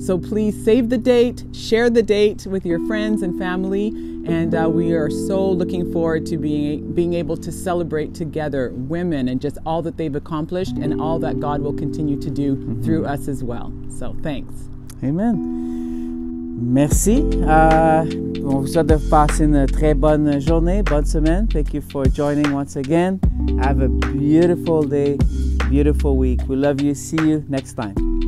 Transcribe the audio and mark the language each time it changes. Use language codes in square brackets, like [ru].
[en] So please save the date, share the date with your friends and family. And we are so looking forward to being able to celebrate together women and just all that they've accomplished and all that God will continue to do through us as well. So thanks. [fr] Amen. Merci. On vous souhaite de passer une très bonne journée, bonne semaine. [en] Thank you for joining once again. Have a beautiful day, beautiful week. We love you. See you next time.